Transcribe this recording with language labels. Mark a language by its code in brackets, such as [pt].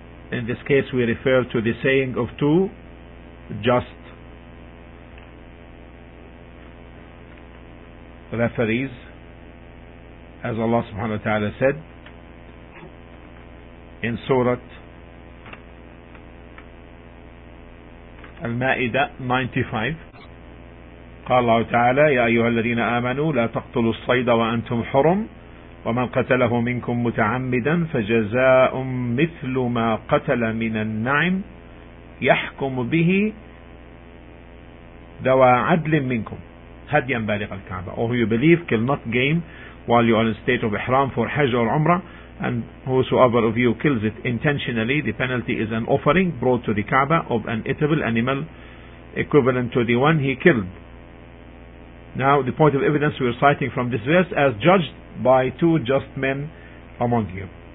[en] In this case we refer to the saying of two just referees, as Allah subhanahu wa ta'ala said in Surah Al-Ma'idah 95. [ar] قال الله تعالى يا أيها الذين آمنوا لا تقتلوا الصيد وأنتم حرم ومن قتله منكم متعمدا فجزاء مثل ما قتل من النعم يحكم به ذو عدل منكم هديا بالغ الكعبة. [en] Or who you believe kill not game while you are in state of ihram for Hajj or Umrah, and whosoever of you kills it intentionally, the penalty is an offering brought to the Kaaba of an eatable animal equivalent to the one he killed. Now the point of evidence we are citing from this verse, as judged by two just men among you.